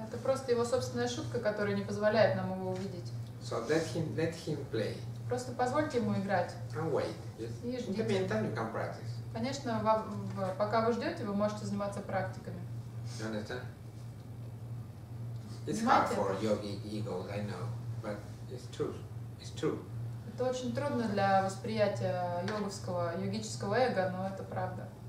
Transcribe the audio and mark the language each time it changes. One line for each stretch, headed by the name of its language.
Russian: Это просто его собственная шутка, которая не позволяет нам его увидеть.
English: So let him play.
Russian: Просто позвольте ему играть.
English: And wait. Yes.
Russian: И ждите.
English: In the meantime, you can practice.
Russian: Конечно, пока вы ждете, вы можете заниматься практиками.
English: You understand? It's hard for yogi egos, I know, but it's true.
Russian: Это очень трудно для восприятия йогического эго, но это правда.